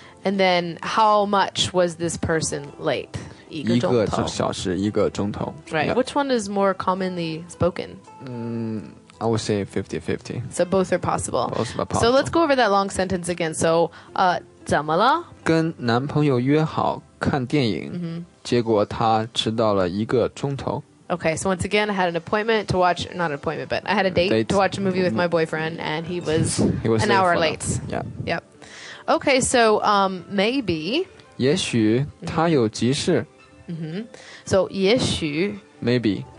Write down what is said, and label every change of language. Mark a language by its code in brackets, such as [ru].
[en] And then, how much was this person late? [zh] 一个小时，一个钟头. [en] Right, yeah. Which one is more commonly spoken? I would say 50-50. So both are possible. Both are possible. So let's go over that long sentence again. So, [zh] 怎么了？跟男朋友约好看电影、mm-hmm. 结果他迟到了一个钟头。 [en] Okay, so once again I had an appointment to watch, not an appointment, but I had a date to watch a movie with my boyfriend and he was an hour late. Yeah. Yep. Okay, so maybe [zh] 也许他有急事。 [en] Mm-hmm. So 也许 Maybe